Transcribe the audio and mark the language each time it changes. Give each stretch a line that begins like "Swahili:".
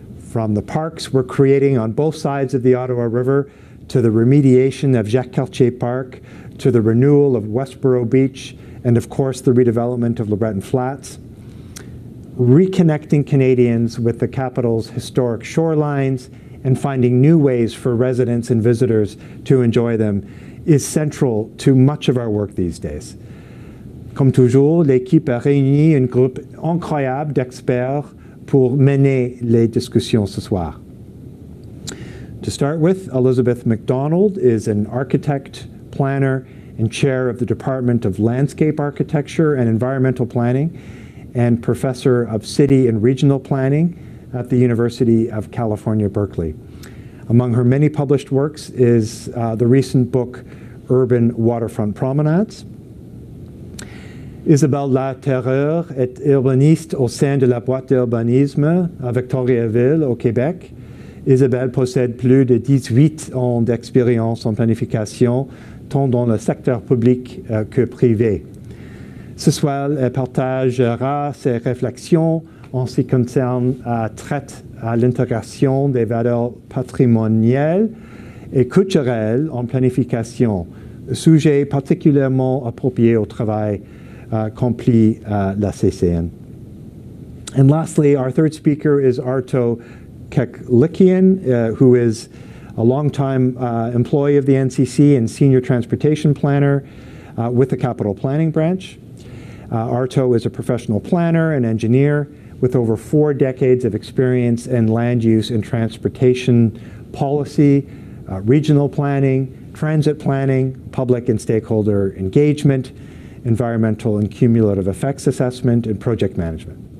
English: From the parks we're creating on both sides of the Ottawa River, to the remediation of Jacques Cartier Park, to the renewal of Westboro Beach, and of course the redevelopment of LeBreton Flats. Reconnecting Canadians with the capital's historic shorelines and finding new ways for residents and visitors to enjoy them is central to much of our work these days.
French: Comme toujours, l'équipe a réuni un groupe incroyable d'experts pour mener les discussions ce soir.
English: To start with, Elizabeth McDonald is an architect, planner, and chair of the Department of Landscape Architecture and Environmental Planning, and professor of City and Regional Planning at the University of California, Berkeley. Among her many published works is the recent book, Urban Waterfront Promenades.
French: Isabelle Laterreur est urbaniste au sein de la Boîte d'urbanisme à Victoriaville, au Québec. Isabelle possède plus de 18 ans d'expérience en planification, tant dans le secteur public que privé. Ce soir, elle partagera ses réflexions en ce qui concerne la traite à l'intégration des valeurs patrimoniales et culturelles en planification, sujet particulièrement approprié au travail accompli la CCN.
English: And lastly, our third speaker is Arto Keklikian, who is a longtime employee of the NCC and senior transportation planner with the Capital Planning Branch. Arto is a professional planner and engineer with over four decades of experience in land use and transportation policy, regional planning, transit planning, public and stakeholder engagement, environmental and cumulative effects assessment, and project management.